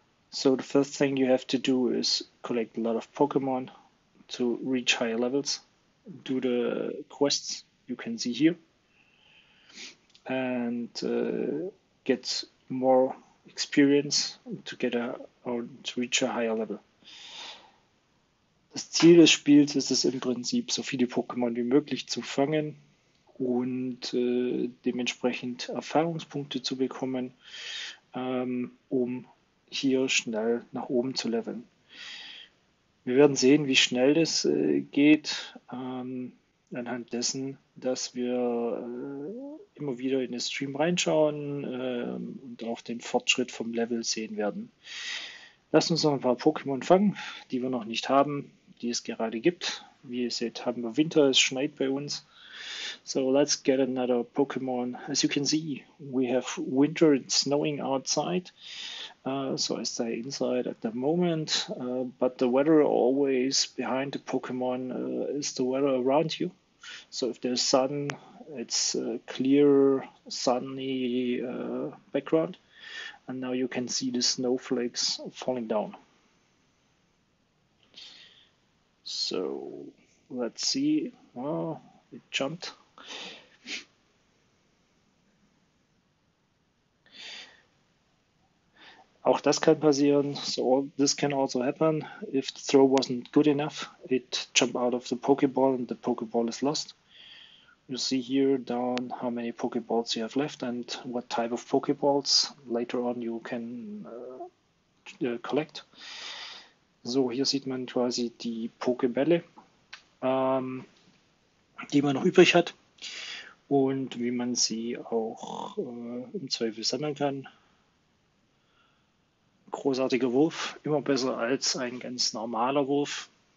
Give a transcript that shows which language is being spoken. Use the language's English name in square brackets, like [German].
[English] So the first thing you have to do is collect a lot of Pokémon to reach higher levels. Do the quests you can see here and get more experience to reach a higher level. [German] Das Ziel des Spiels ist es im Prinzip, so viele Pokémon wie möglich zu fangen und dementsprechend Erfahrungspunkte zu bekommen, um hier schnell nach oben zu leveln. Wir werden sehen, wie schnell das geht, anhand dessen, dass wir immer wieder in den Stream reinschauen und auch den Fortschritt vom Level sehen werden. Lasst uns noch ein paar Pokémon fangen, die wir noch nicht haben, die es gerade gibt. Wie ihr seht, haben wir Winter, es schneit bei uns. [English] So, let's get another Pokémon. As you can see, we have winter, it's snowing outside. So I stay inside at the moment. But the weather always behind the Pokémon is the weather around you. So if there's sun, it's a clear, sunny background. And now you can see the snowflakes falling down. So let's see. Oh, it jumped. [German] Auch das kann passieren. [English] So, this can also happen. If the throw wasn't good enough, it jumped out of the Pokeball and the Pokeball is lost. You see here down how many Pokeballs you have left and what type of Pokeballs. Later on, you can Collect. [German] So, hier sieht man quasi die Pokebälle, die man noch übrig hat und wie man sie auch im Zweifel sammeln kann. Großartiger Wurf, immer besser als ein ganz normaler Wurf.